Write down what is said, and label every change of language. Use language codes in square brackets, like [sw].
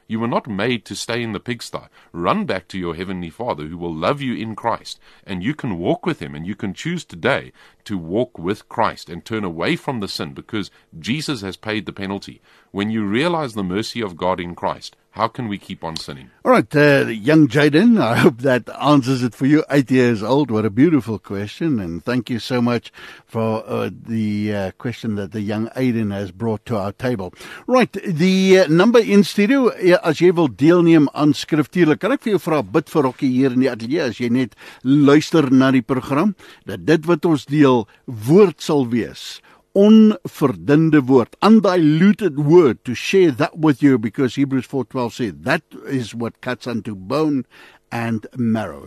[en] You were not made to stay in the pigsty. Run back to your Heavenly Father who will love you in Christ, and you can walk with him, and you can choose today to walk with Christ and turn away from the sin because Jesus has paid the penalty. When you realize the mercy of God in Christ, how can we keep on sinning? All right, young Jaden, I hope that answers it for you. 8 years old, what a beautiful question. And thank you so much for the question that the young Aiden has brought to our table. Right, the number in studio, [af] as jy wil deelneem aan skriftuurlik, kan ek vir jou vra, bid vir Rokkie hier in die atelier, as jy net luister na die program, dat dit wat ons deel woord sal wees. Onverdunde woord, [en] undiluted word, to share that with you, because Hebrews 4:12 says, that is what cuts unto bone and marrow.